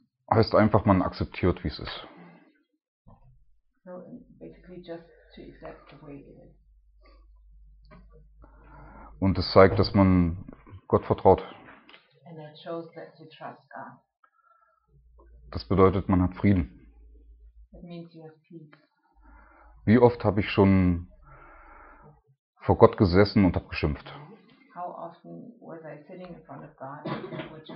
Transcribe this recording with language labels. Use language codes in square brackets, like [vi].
[de] Heißt einfach, man akzeptiert, wie es ist. [en] So basically just to accept the way it is. [de] Und es zeigt, dass man Gott vertraut. [en] And it shows that you trust God. [de] Das bedeutet, man hat Frieden. [en] It means you have peace. [de] Wie oft habe ich schon vor Gott gesessen und habe geschimpft? [en] How often was I sitting in front of God and